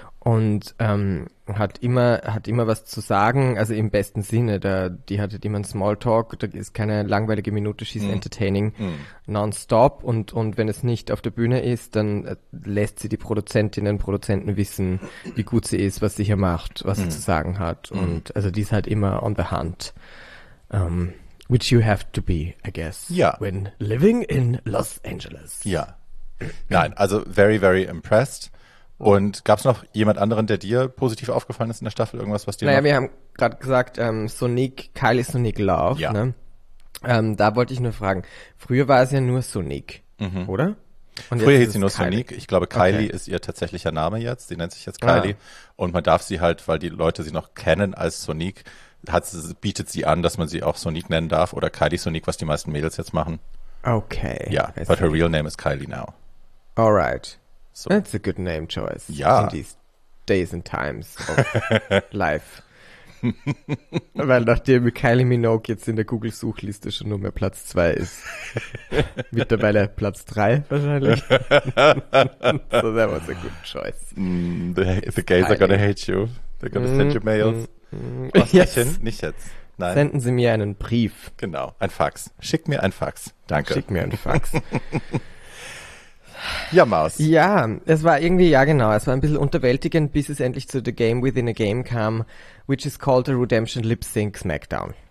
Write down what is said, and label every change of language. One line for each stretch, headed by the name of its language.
German: Und hat immer was zu sagen, also im besten Sinne, die hat halt immer einen Smalltalk, da ist keine langweilige Minute,
English: she's entertaining nonstop
German: und wenn es nicht auf der Bühne ist, dann lässt sie die Produzentinnen und Produzenten wissen, wie gut sie ist, was sie hier macht, was sie zu sagen hat und also die ist halt immer
English: on the hunt, which you have to be, I guess, when living in Los Angeles.
German: Ja, nein, also
English: very, very impressed.
German: Und gab es noch jemand anderen, der dir positiv aufgefallen ist in der Staffel? Irgendwas, was dir Naja, wir haben gerade gesagt, Sonique, Kylie Sonique Love. Ja. Ne? Da wollte ich nur fragen, früher war es ja nur Sonique, oder? Und früher hieß sie nur Kylie. Sonique. Ich glaube, Kylie ist ihr tatsächlicher Name jetzt. Sie nennt sich jetzt Kylie. Ah. Und man darf sie halt, weil die Leute sie noch kennen als Sonique, bietet sie an, dass man sie auch Sonique nennen darf. Oder Kylie Sonique, was die meisten Mädels jetzt machen. Okay. Ja, yeah.
English: But her real name is Kylie now. All right. So. That's a good name choice in these days and times of life.
German: Weil nachdem Kylie Minogue jetzt in der Google-Suchliste schon nur mehr Platz 2 ist, mittlerweile Platz 3 wahrscheinlich.
English: So that was a good choice. The gays Kylie. Are gonna hate you. They're gonna send you mails.
German: Nicht jetzt. Nein. Senden Sie mir einen Brief. Genau, ein Fax. Schick mir ein Fax. Danke. Schick mir ein Fax. Ja, Maus. Ja, es war irgendwie, ja genau, es war ein bisschen unterwältigend, bis es endlich zu The Game Within a Game kam,
English: which is called a Redemption Lip Sync Smackdown.